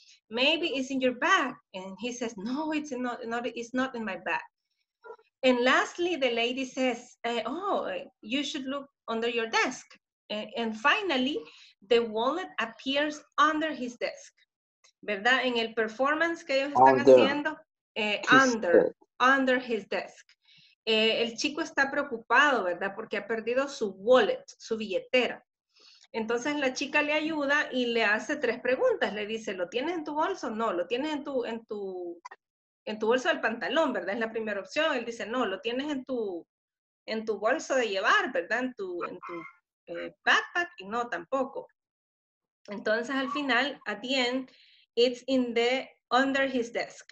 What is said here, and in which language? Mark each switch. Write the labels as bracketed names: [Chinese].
[English] Maybe it's in your bag. And he says, no, it's not in my bag. And lastly, the lady says, oh, you should look under your desk. And finally, the wallet appears under his desk. [Spanish] ¿Verdad? En el performance que ellos están haciendo, [English] under his desk. [Spanish] El chico está preocupado, ¿verdad? Porque ha perdido su wallet, su billetera. Entonces la chica le ayuda y le hace tres preguntas. Le dice, ¿lo tienes en tu bolso? No, lo tienes en tu bolso del pantalón, ¿verdad? Es la primera opción. Él dice, no, lo tienes en tu bolso de llevar, ¿verdad? En tu backpack. Y no, tampoco. Entonces al final, [English] at the end, it's in the under his desk.